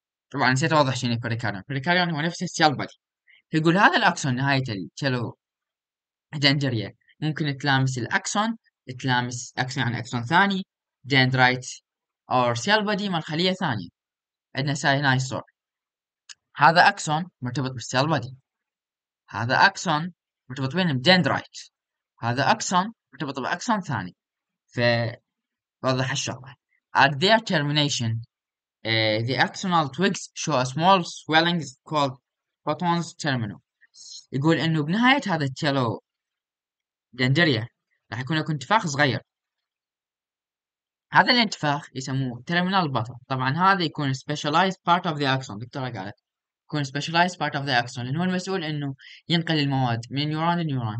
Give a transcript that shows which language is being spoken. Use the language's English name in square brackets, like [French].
[Arabic] طبعا نسيت اوضح شنو البريكاريون. البريكاريون هو نفس السيل بادي. يقول هذا الاكسون نهايه التيلو دندريا ممكن تلامس الاكسون، تلامس اكسون عن اكسون ثاني دندرايت اور سيل بادي مال خليه ثانيه. عندنا ساي هنا الصور، هذا اكسون مرتبط بالسيل بادي، هذا اكسون مرتبط بين دندرايت، هذا اكسون مرتبط باكسون ثاني. ف بوضح الشغلة. [English] At their termination, the axonal twigs show a small swelling called photons terminal. [Arabic] يقول إنه بنهاية هذا التيلو دندريا راح يكون لكم انتفاخ صغير. هذا الانتفاخ يسموه terminal buffer. طبعا هذا يكون [English] specialized part of the axon. [Arabic] دكتورة قالت يكون [English] specialized part of the axon [Arabic] لأنه المسؤول إنه ينقل المواد من نيوران لنيوران.